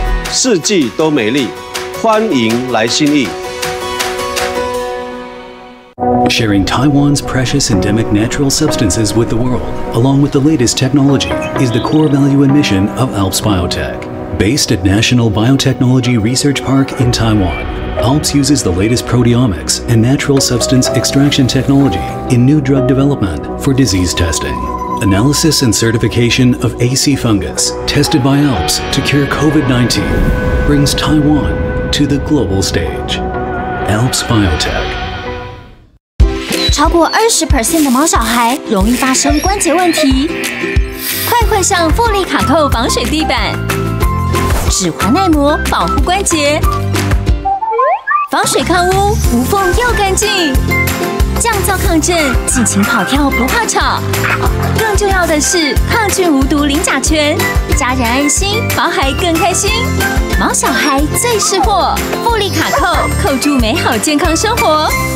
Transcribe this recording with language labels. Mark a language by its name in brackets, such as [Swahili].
[Chinese] 四季都美丽，欢迎来信义。 [English] Sharing Taiwan's precious endemic natural substances with the world, along with the latest technology, is the core value and mission of Alps Biotech. Based at National Biotechnology Research Park in Taiwan, Alps uses the latest proteomics and natural substance extraction technology in new drug development for disease testing. Analysis and certification of AC fungus, tested by Alps to cure COVID-19, brings Taiwan to the global stage. Alps Biotech. [Chinese] 超过 20% 的毛小孩容易发生关节问题，快快上富力卡扣防水地板，指滑耐磨保护关节，防水抗污无缝又干净，降噪抗震，尽情跑跳不怕吵，更重要的是抗菌无毒零甲醛，家人安心，毛孩更开心，毛小孩最是货，富力卡扣，扣住美好健康生活。